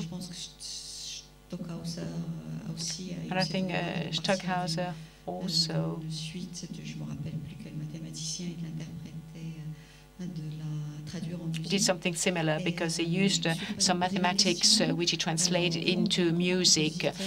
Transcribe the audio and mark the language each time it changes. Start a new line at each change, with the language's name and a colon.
French: Je pense que Stockhauser aussi.
English: And I think Stockhauser also.
French: Suite, je ne me rappelle plus quel mathématicien il l'interprétait de la.
English: Did something similar because he used some mathematics which he translated into music.